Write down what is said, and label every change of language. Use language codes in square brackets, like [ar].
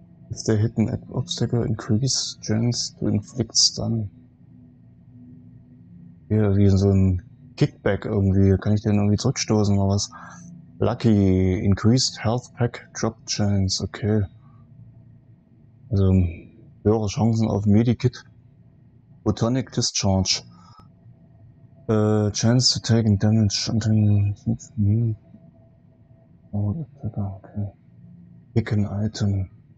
[en] If they hit an obstacle, increase chance to inflict stun. [de] Hier, wie so ein Kickback irgendwie. Kann ich den irgendwie zurückstoßen oder was? [en] Lucky. Increased health pack drop chance. Okay. [de] Also höhere Chancen auf Medikit. [en] Photonic Discharge. Chance to take damage [de] und 5 Minuten. [en] Oh, okay. Pick an Item.